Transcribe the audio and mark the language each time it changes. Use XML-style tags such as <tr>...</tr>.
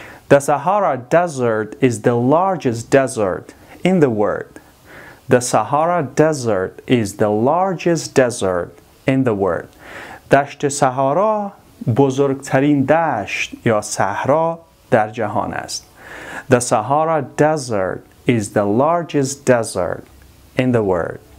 <en>The Sahara Desert is the largest desert in the world. The Sahara Desert is the largest desert in the world.</en> <fa>دشت صحرا بزرگترین دشت یا صحرا در جهان است.</fa> <en>The Sahara Desert is the largest desert in the world.</en>